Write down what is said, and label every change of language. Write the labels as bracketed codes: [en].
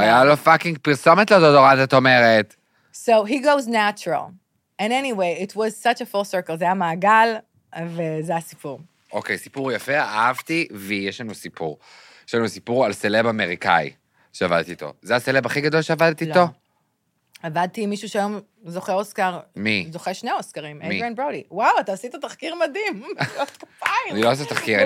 [he] היה לו פאקינג פרסומת לדאודורנט, את אומרת. [en] So he goes natural. And anyway, it was such a full circle. [he] זה היה מעגל, וזה הסיפור. אוקיי, סיפור יפה, אהבתי, ויש לנו סיפור. יש לנו סיפור על סלב אמריקאי שעבדתי איתו. זה הסלב הכי גדול שעבדתי איתו? לא. עבדתי עם מישהו שהיום זוכה אוסקר. מי? זוכה שני אוסקרים, אדריאן ברודי. וואו, אתה עשית תחקיר מדהים. אני לא עושה תחקיר.